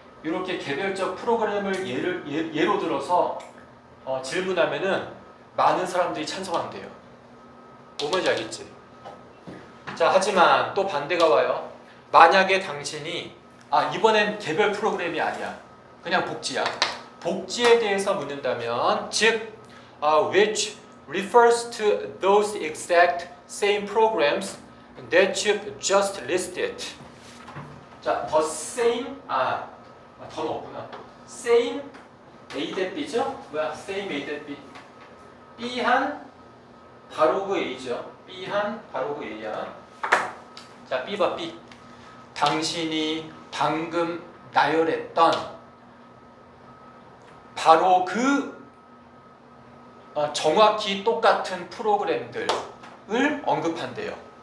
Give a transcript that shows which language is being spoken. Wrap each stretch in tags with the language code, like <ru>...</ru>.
<ko>이렇게 개별적 프로그램을 예로 들어서 질문하면은 많은 사람들이 찬성한대요. 뭔 말인지 알겠지? 자, 하지만 또 반대가 와요. 만약에 당신이 이번엔 개별 프로그램이 아니야. 그냥 복지야. 복지에 대해서 묻는다면, 즉</ko> <en>which refers to those exact same programs that you've just listed.</en> <ko>자,</ko> <en>the same,</en> <ko>더 넣었구나. Same A 대 B죠? 뭐야? Same A 대 B. B한 바로 그 A죠. B한 바로 그 A야. 자, B 봐, B. 당신이 방금 나열했던 바로 그 정확히 똑같은 프로그램들을 언급한대요.</ko>